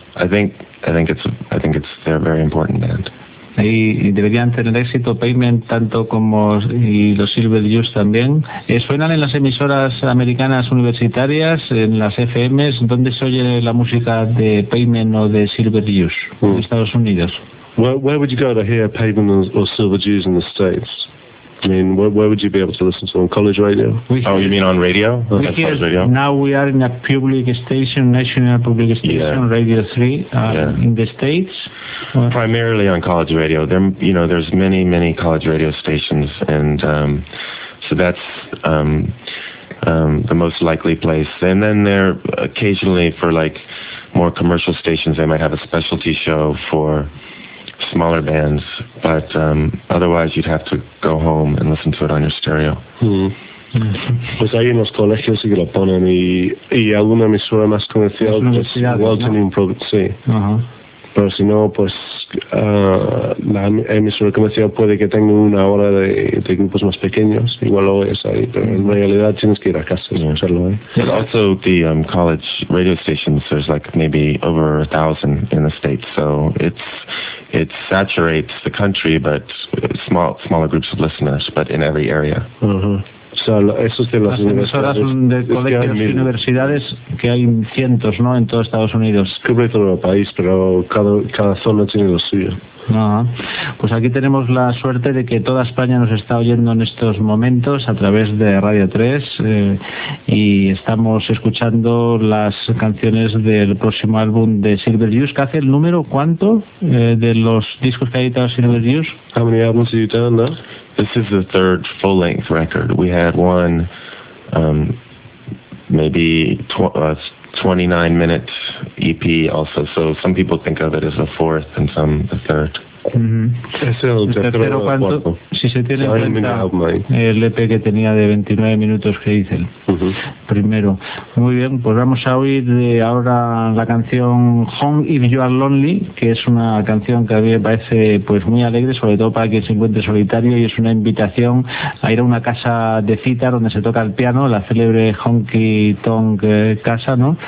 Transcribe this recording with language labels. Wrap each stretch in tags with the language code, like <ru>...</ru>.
<en>I think it's they're a very important band.</en> <es>Y deberían tener éxito Pavement tanto como y los Silver Youth también. ¿Suenan en las emisoras americanas universitarias, en las FMs? ¿Dónde se oye la música de Pavement o de Silver Youth en Estados Unidos?</es> <en>Where would you go to hear Pavement or Silver Youth in the States? I mean, where would you be able to listen to on college radio? You mean on radio? Now we are in a public station, national public station, yeah. Radio 3, in the States. Primarily on college radio. There's many, many college radio stations, and so that's the most likely place. And then there, occasionally for like more commercial stations, they might have a specialty show for smaller bands, but otherwise you'd have to go home and listen to it on your stereo.</en> <es>Pues hay unos colegios sí que lo ponen, y alguna emisora más comercial, pues Walton Improvement, sí. Pero si no, pues la emisora comercial puede que tenga una hora de grupos más pequeños, igual lo es ahí, pero en realidad tienes que ir a casa y escucharlo ahí.</es> <en>But also the college radio stations, there's like maybe over 1,000 in the States, so it saturates the country, but smaller groups of listeners, but in every area.</en> <es>Las emisoras de colegios y universidades, que hay cientos, ¿no?, en todo Estados Unidos. Cubre todo el país, pero cada zona tiene lo suyo. Pues aquí tenemos la suerte de que toda España nos está oyendo en estos momentos a través de Radio 3, y estamos escuchando las canciones del próximo álbum de Silver Youth. ¿Qué hace el número? ¿Cuánto de los discos que ha editado Silver Youth?</es> <en>How many albums have you done, no? This is the third full-length record. We had one, maybe 29-minute EP also. So some people think of it as the fourth and some the third.</en> <es>Es el tercero o cuarto. Si se tiene en cuenta el EP que tenía de 29 minutos que hice el primero. Muy bien, pues vamos a oír ahora la canción Home If You Are Lonely, que es una canción que a mí me parece pues muy alegre, sobre todo para quien se encuentre solitario, y es una invitación a ir a una casa de cita donde se toca el piano, la célebre Honky Tonk Casa, ¿no?</es>